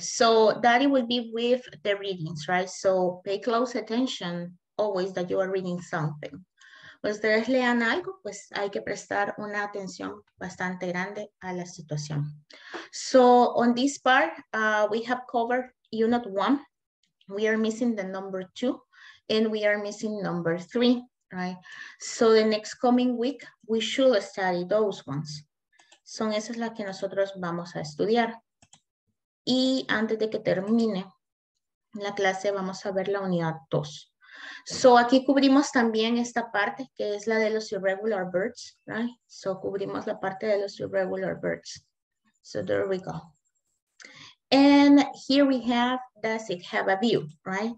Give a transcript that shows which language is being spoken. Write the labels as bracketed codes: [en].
[en] So, Daddy will be with the readings, right? So, pay close attention always that you are reading something. [es] Ustedes lean algo, pues hay que prestar una atención bastante grande a la situación. [en] So, on this part, we have covered unit one. We are missing the number two. And we are missing number three. Right. So the next coming week, we should study those ones. [es] Son esas las que nosotros vamos a estudiar. Y antes de que termine la clase, vamos a ver la unidad 2. So aquí cubrimos también esta parte que es la de los irregular verbs. [en] Right. [es] So cubrimos la parte de los irregular verbs. [en] So there we go. And here we have, does it have a view, right?